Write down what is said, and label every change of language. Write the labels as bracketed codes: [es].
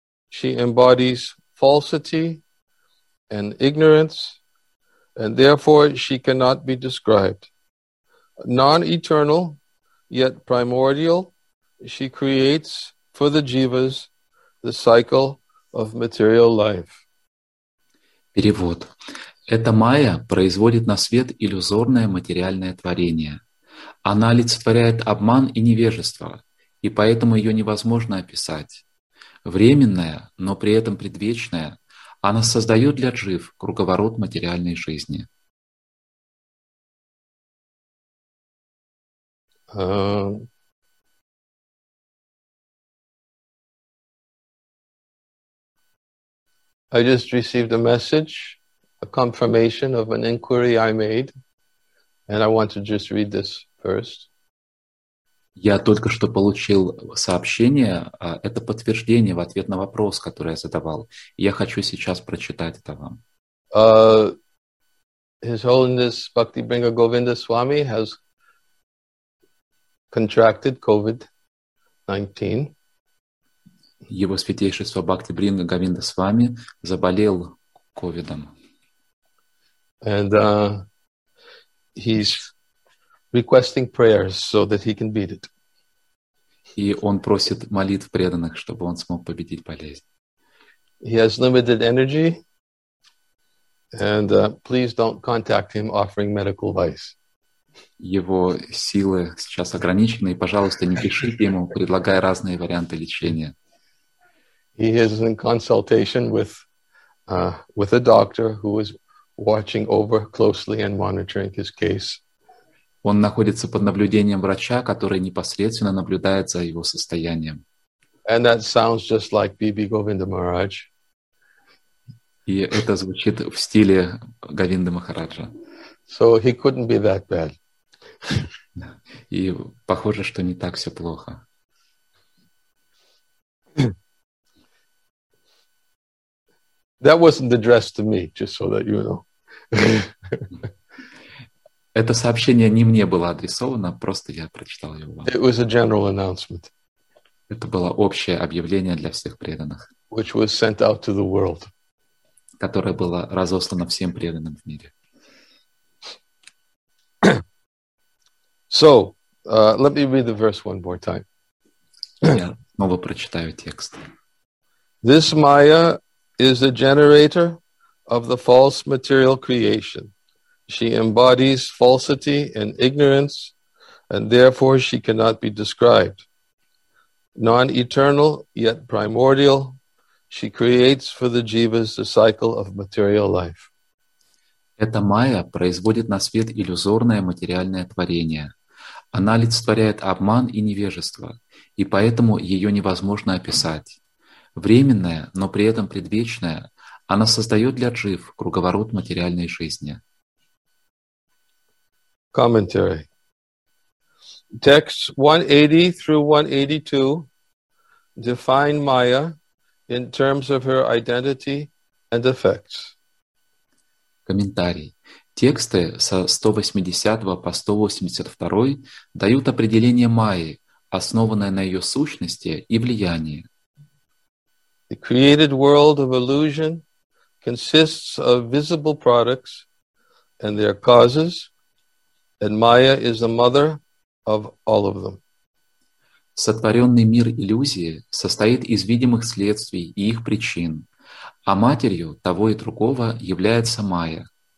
[en] She embodies falsity and ignorance, and therefore she cannot be described. Non-eternal, yet primordial, she creates for the jivas the cycle of material life. [ru] Перевод. Эта майя производит на свет иллюзорное материальное творение. Она олицетворяет обман и невежество, и поэтому ее невозможно описать. Временная, но при этом предвечная, она создает для джив круговорот материальной жизни. [en] I just received a message, a confirmation of an inquiry I made, and I want to just read this first. [ru] Я только что получил сообщение, это подтверждение в ответ на вопрос, который я задавал. Я хочу сейчас прочитать это вам. [en] His Holiness Bhakti Bringa Govinda Swami has contracted COVID-19. [ru] Его святейшество Бхакти Бринга Говинда Свами заболел ковидом. [en] And he's requesting prayers so that he can beat it. [ru] И он просит молитв преданных, чтобы он смог победить болезнь. [en] He has limited energy, and please don't contact him offering medical advice. [ru] Его силы сейчас ограничены, и, пожалуйста, не пишите ему, предлагая разные варианты лечения. [en] He is in consultation with a doctor who is watching over closely and monitoring his case. [ru] Он находится под наблюдением врача, который непосредственно наблюдает за его состоянием. [en] And that sounds just like Bibi Govinda Maharaj. [ru] И это звучит в стиле Говинды Махараджа. [en] So he couldn't be that bad. [ru] И похоже, что не так все плохо. [en] That wasn't addressed to me, just so that you know. [ru] Это сообщение не мне было адресовано, просто я прочитал его вам. [en] It was a general announcement. [ru] Это было общее объявление для всех преданных. [en] Which was sent out to the world. [ru] Которое было разослано всем преданным в мире. [en] So, let me read the verse one more time. [ru] Я снова прочитаю текст. [en] This Maya is the generator of the false material creation. She embodies falsity and ignorance, and therefore she cannot be described. Non-eternal, yet primordial, she creates for the jivas the cycle of material life. [ru] Эта майя производит на свет иллюзорное материальное творение. Она олицетворяет обман и невежество, и поэтому ее невозможно описать. Временная, но при этом предвечная, она создает для джив круговорот материальной жизни. [en] Commentary. Texts 180 through 182 define Maya in terms of her identity and effects. [ru] Комментарий. Тексты со 180 по 182 дают определение Майи, основанное на ее сущности и влиянии. [en] The created world of illusion consists of visible products and their causes. And Maya is the mother of all of them. [ru] Сотворенный мир иллюзии состоит из видимых следствий и их причин, а матерью того и другого является Майя.